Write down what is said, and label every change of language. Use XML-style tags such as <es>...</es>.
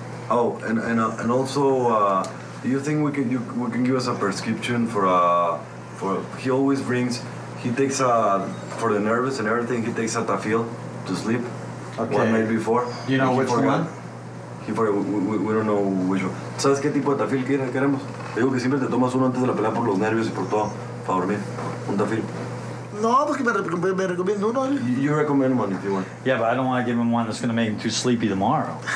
<en>Oh, and also, do you think we can give us a prescription for he always brings. He takes for the nervous and everything, he takes a Tafil to sleep. Okay. One night before. You know which one? We don't know which one.</en> <es>¿Sabes qué tipo de Tafil queremos? Te digo que siempre te tomas uno antes de la pelea por los nervios y por todo, para dormir. Un Tafil. No, porque me recomiendo uno.</es> <en>You recommend one if you want. Yeah, but I don't want to give him one that's going to make him too sleepy tomorrow.</en>